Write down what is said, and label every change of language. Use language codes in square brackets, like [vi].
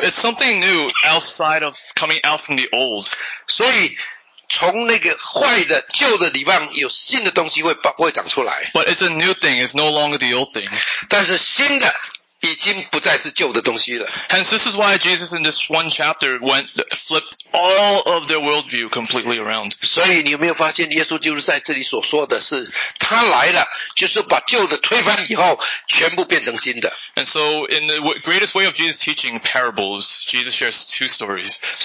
[en] it's something new outside of coming out from the old. [zh] 所以 从那个坏的旧的地方，有新的东西会长出来。 [en] But it's a new thing, it's no longer the old thing. [zh] 但是新的已经不再是旧的东西了。 [en] Hence, this is why Jesus in this one chapter went, flipped all of their worldview completely around. [zh] 所以你有没有发现耶稣就是在这里所说的是，他来了，就是把旧的推翻以后，全部变成新的。 [en] And so, in the greatest way of Jesus teaching parables, Jesus shares two stories.